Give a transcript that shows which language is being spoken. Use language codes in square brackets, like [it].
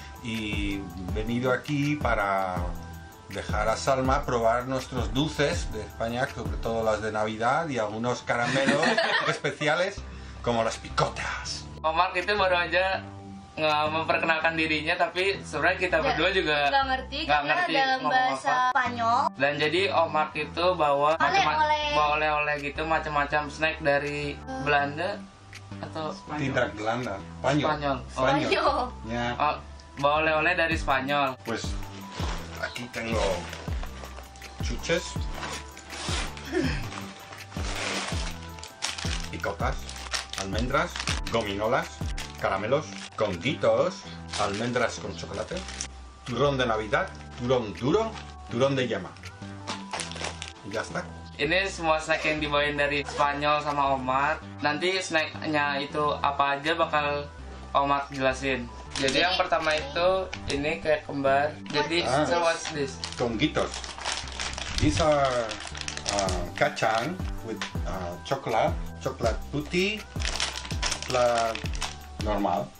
[es] Y venido aquí para dejar a Salma probar nuestros dulces de España, sobre todo las de Navidad y algunos caramelos especiales como las picotas. [id] Omar itu baru aja memperkenalkan dirinya, tapi sebenarnya kita berdua juga nggak ngerti dalam bahasa Spanyol. Dan jadi Omar itu bawa oleh-oleh gitu, macam-macam snack dari Belanda atau Spanyol. Tidak Belanda, Spanyol. Spanyol. Ya. Bawa oleh-oleh dari Spanyol. [es] Pues, aquí tengo chuches, picotas, almendras, gominolas, caramelos, conditos, almendras con chocolate, turrón de Navidad, turrón duro, turrón de yema. Y ya está. [id] Ini semua snack yang dibawain dari Spanyol sama Omar. Nanti snacknya itu apa aja bakal Omar jelasin. Jadi yang pertama itu ini kayak kembar. [en] Jadi so what's this? [id] Conguitos. [en] These are [id] kacang [en] with [id] coklat putih, coklat normal.